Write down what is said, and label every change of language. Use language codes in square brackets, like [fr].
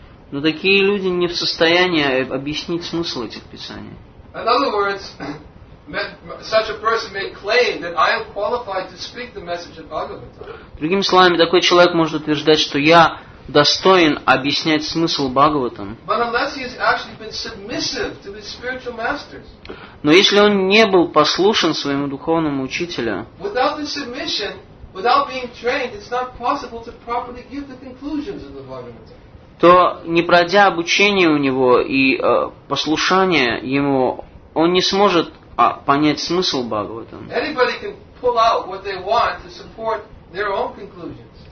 [ru] Но такие люди не в состоянии объяснить смысл этих писаний. [en] In other words, such a person may claim that I am qualified to speak the message of Bhagavata. [ru] Другими словами, такой человек может утверждать, что я достоин объяснять смысл Бхагаватам. [en] But unless he has actually been submissive to his spiritual masters. [ru] Но если он не был послушен своему духовному учителю, [en] without the submission, without being trained, it's not possible to properly give the conclusions of the Bhagavata. [ru] То, не пройдя обучение у него и послушание ему, он не сможет понять смысл Бхагаватам. [en] Anybody can pull out what they want to support their own conclusions.